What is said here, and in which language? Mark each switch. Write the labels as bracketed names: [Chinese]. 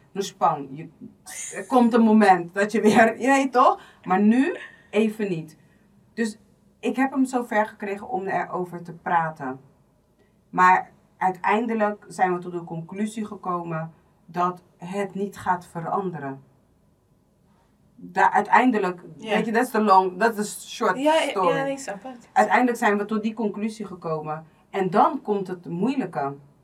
[Dutch] Nu span, er komt een moment dat je weer, toch? Maar nu even niet. Dus ik heb hem zo ver gekregen om erover te praten. Maar uiteindelijk zijn we tot de conclusie gekomen dat het niet gaat veranderen. Weet je, [English] that's the short story. [Dutch] Ja, ik snap het. Uiteindelijk zijn we tot die conclusie gekomen. En dan komt het moeilijke.